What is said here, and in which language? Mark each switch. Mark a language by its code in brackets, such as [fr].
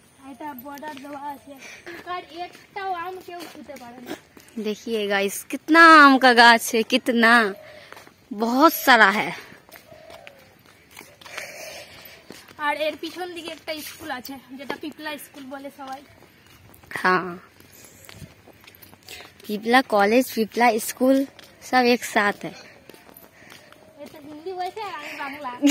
[bn] এটা বর্ডার দেওয়া আছে আর একটাও আম কেউ খুঁজতে পারে না [hi] देखिए गाइस कितना आम का गाछ है, कितना बहुत सारा है। [bn] আর এর পিছন দিকে একটা স্কুল আছে যেটা পিপলা স্কুল বলে সবাই। হ্যাঁ পিপলা কলেজ, পিপলা স্কুল [hi] সব এক সাথ হ্যায়। [bn] এটা হিন্দি বলছে আর বাংলা,